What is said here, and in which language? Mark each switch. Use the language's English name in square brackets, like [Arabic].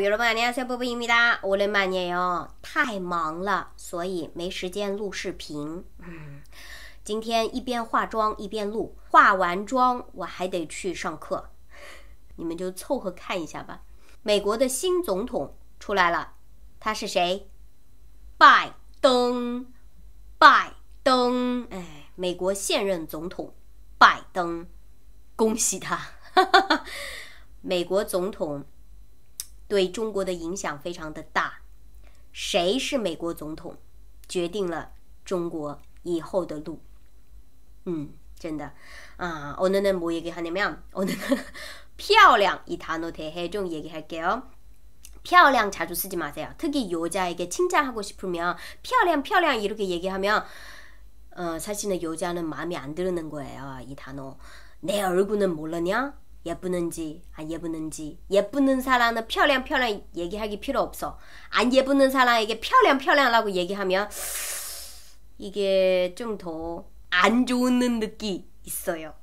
[Korean] 여러분안녕하세요 Bobo 입니다오랜만이에요。 [Chinese] 太忙了，所以没时间录视频。今天一边化妆一边录，化完妆我还得去上课，你们就凑合看一下吧。美国的新总统出来了，他是谁？拜登，拜登，哎，美国现任总统拜登，恭喜他！美国总统对中国的影响非常的大，谁是美国总统，决定了中国以后的路。真的啊， [Korean] 오늘은뭐얘기하냐면오늘은 漂亮이단어대해좀얘기할게요。漂亮자주쓰지마세요。 특히여자에게칭찬하고싶으면漂亮漂亮이렇게얘기하면사실은여자는마음에안드는거예요。 이단어내얼굴은모르냐？ 예쁘는지 예쁘는 사람은 漂亮漂亮얘기하기 필요 없어. 안 예쁘는 사람에게 漂亮 漂亮라고 얘기하면 이게 좀더안 좋은 느낌 있어요.